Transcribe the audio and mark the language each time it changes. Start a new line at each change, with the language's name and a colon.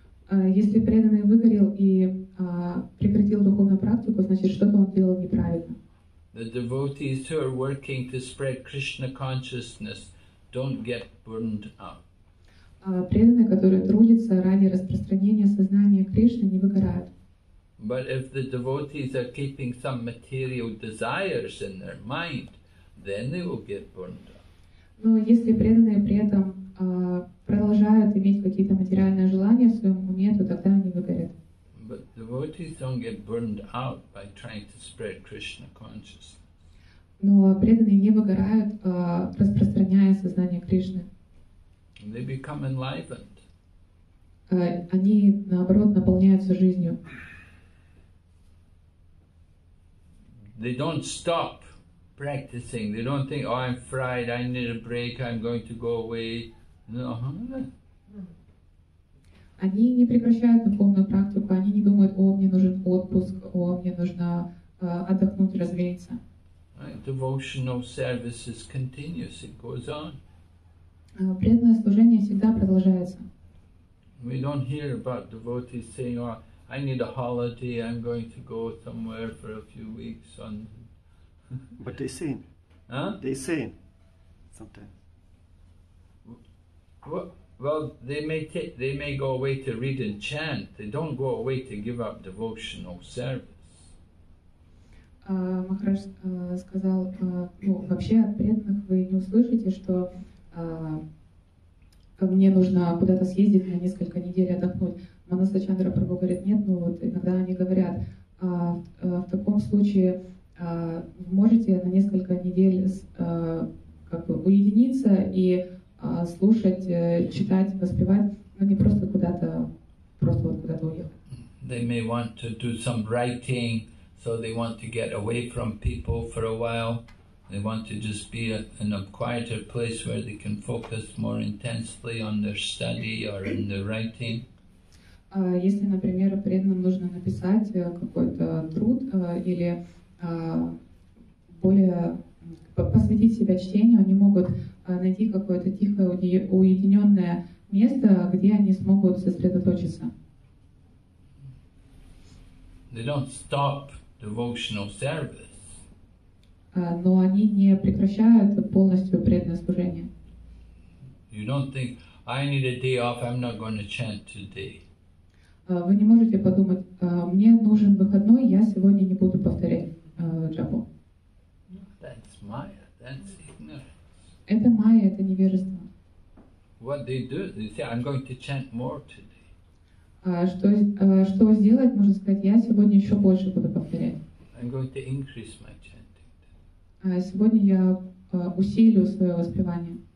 Russian: Если преданный выгорел и прекратил духовную практику, значит, что-то он делал неправильно.
English: The devotees who are working to spread Krishna consciousness don't get burned out.
Russian: Преданные, которые трудятся ради распространения сознания Кришны, не выгорают.
English: But if the devotees are keeping some material desires in their mind, then they will get burned out.
Russian: Но если преданные при этом продолжают иметь какие-то материальные желания в своем уме, то тогда они выгорят.
English: But devotees don't get burned out by trying to spread Krishna consciousness.
Russian: Но преданные не выгорают, распространяя сознание Кришны.
English: They become enlivened.
Russian: Они, наоборот, наполняются жизнью.
English: They don't stop practicing. They don't think, oh, I'm fried, I need a break, I'm going to go away. No.
Russian: Они не прекращают духовную практику, они не думают, о, мне нужен отпуск, о, мне нужно отдохнуть, развеяться.
English: Devotional service is continuous, it goes on.
Russian: Преданное служение всегда продолжается.
English: We don't hear about devotees saying, oh, I need a holiday, I'm going to go somewhere for a few weeks. On. But they sin. Huh? They sin sometimes. What? Well, they may go away to read and chant. They don't go away to give up devotional service.
Russian: Махарадж сказал, ну вообще от преданных вы не услышите, что мне нужно куда-то съездить на несколько недель отдохнуть. Манаса Чандра Прабху говорит, нет, ну вот иногда они говорят, в таком случае вы можете на несколько недель как бы уединиться и слушать, читать, воспевать, но не просто куда-то, просто вот куда-то уехать.
English: They may want to do some writing, so they want to get away from people for a while. They want to just be in a quieter place where they can focus more intensely on their study or in their writing.
Russian: Если, например, преданным нужно написать какой-то труд или более посвятить себя чтению, они могут найти какое-то тихое, уединенное место, где они смогут сосредоточиться.
English: They don't stop devotional service.
Russian: Но они не прекращают полностью преданное служение.
English: You don't think, I need a day off, I'm not going to chant today.
Russian: Вы не можете подумать, мне нужен выходной, я сегодня не буду повторять джапу.
English: That's Maya, that's ignorance.
Russian: Это майя, это невежество.
English: What they do, they say, I'm going to chant more today.
Russian: Что сделать, можно сказать, я сегодня еще больше буду повторять.
English: I'm going to increase my chanting.
Russian: Сегодня я усилю свое воспевание.